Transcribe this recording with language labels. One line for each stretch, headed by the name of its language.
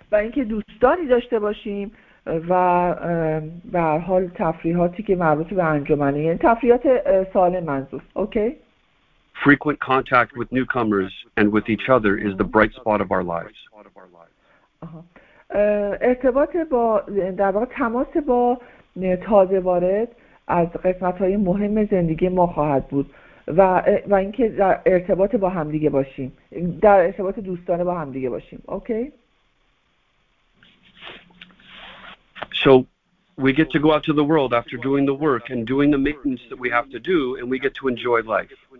Persian: و اینکه دوستانی داشته باشیم و به هر حال تفریحاتی که مربوط به انجمنه، یعنی تفریحات سالم منظور. Okay.
English: Frequent contact with newcomers and with each other is the bright spot of our lives.
Persian: ارتباط با در واقع تماس با تازه وارد از قسمت‌های مهم زندگی ما خواهد بود و اینکه در ارتباط با هم دیگه باشیم، در ارتباط دوستانه با هم دیگه باشیم. اوکی؟
English: So we get to go out to the world after doing the work and doing the maintenance that we have to do and we get to enjoy life.